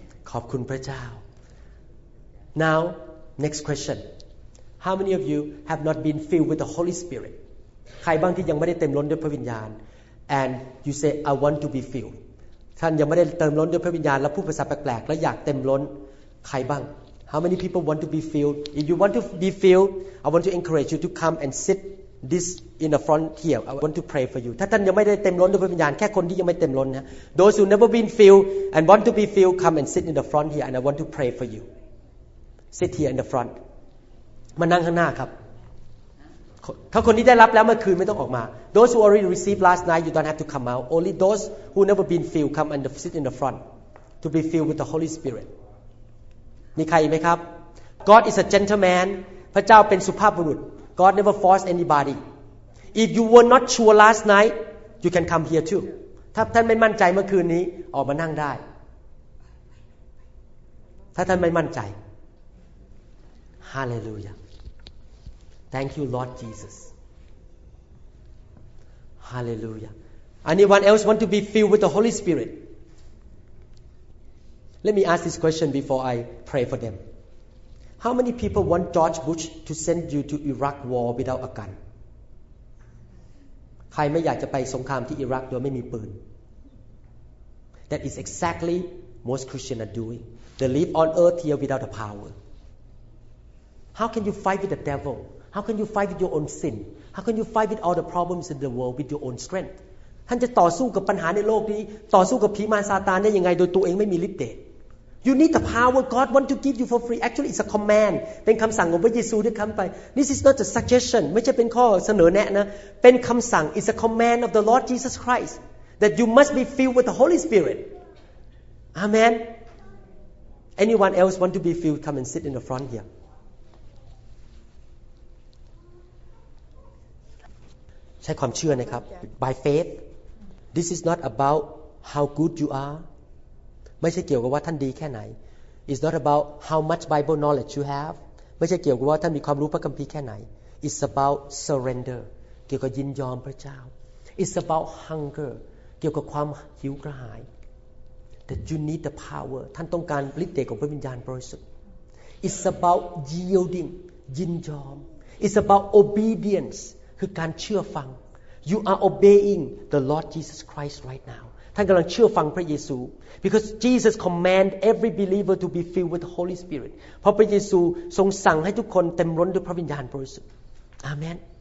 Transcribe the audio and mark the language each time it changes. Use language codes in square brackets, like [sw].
[th] ขอบคุณพระเจ้า [en] Now, next question. How many of you have not been filled with the Holy Spirit? [th] ใครบ้างที่ยังไม่ได้เต็มล้นด้วยพระวิญญาณ [en] And you say, I want to be filled [th] ท่านยังไม่ได้เติมล้นด้วยพระวิญญาณและพูดภาษาแปลกๆและอยากเต็มล้นใครบ้าง [en] How many people want to be filled? If you want to be filled, I want to encourage you to come and sit this in the front here. I want to pray for you. [th] ถ้าท่านยังไม่ได้เต็มล้นด้วยพระวิญญาณแค่คนที่ยังไม่เต็มล้นนะ [en] Those who never been filled and want to be filled, come and sit in the front here and I want to pray for you. Sit here in the front. [th] มานั่งข้างหน้าครับถ้าคนนี้ได้รับแล้วเมื่อคืนไม่ต้องออกมา [en] Those who already received last night you don't have to come out only those who never been filled come and sit in the front to be filled with the Holy Spirit [th] มีใครไหมครับ [en] God is a gentleman [th] พระเจ้าเป็นสุภาพบุรุษ [en] God never force anybody if you were not sure last night you can come here too [th] ถ้าท่านไม่มั่นใจเมื่อคืนนี้ออกมานั่งได้ ถ้าท่านไม่มั่นใจฮาเลลูยา [en] Thank you Lord Jesus Hallelujah Anyone else want to be filled with the Holy Spirit Let me ask this question before I pray for them How many people want George Bush to send you to Iraq war without a gun [th] ใครไม่อยากจะไปสงครามที่อิรักโดยไม่มีปืน [en] That is exactly most Christians are doing. They live on earth here without the power. How can you fight with the devil? How can you fight with your own sin? How can you fight with all the problems in the world with your own strength? [th] ท่านจะต่อสู้กับปัญหาในโลกนี้ต่อสู้กับผีมารซาตานได้ยังไงโดยตัวเองไม่มีฤทธิ์เดช [en] You need the power God want to give you for free. Actually, it's a command. [th] เป็นคำสั่งของพระเยซูด้วยคำไป [en] This is not a suggestion. [th] ไม่ใช่เป็นข้อเสนอแนะนะเป็นคำสั่ง [en] It's a command of the Lord Jesus Christ that you must be filled with the Holy Spirit. Amen. Anyone else want to be filled? Come and sit in the front here. [th] ใช้ความเชื่อนะครับ [en] By faith. This is not about how good you are. [th] ไม่ใช่เกี่ยวกับว่าท่านดีแค่ไหน [en] It's not about how much Bible knowledge you have [th] ไม่ใช่เกี่ยวกับว่าท่านมีความรู้พระคัมภีร์แค่ไหน [en] It's about surrender [th] เกี่ยวกับยินยอมพระเจ้า [en] It's about hunger [th] เกี่ยวกับความหิวกระหาย [en] That you need the power [th] ท่านต้องการฤทธิ์เดชของพระวิญญาณบริสุทธิ์ [en] It's about yielding [th] ยินยอม [en] It's about obedience [th] คือการเชื่อฟัง [en] You are obeying the Lord Jesus Christ right now [th] ท่านกำลังเชื่อฟังพระเยซู [en] because Jesus command every believer to be filled with the Holy Spirit [th] เพราะพระเยซูทรงสั่งให้ทุกคนเต็มล้นด้วยพระวิญญาณบริสุทธิ์ [en] Amen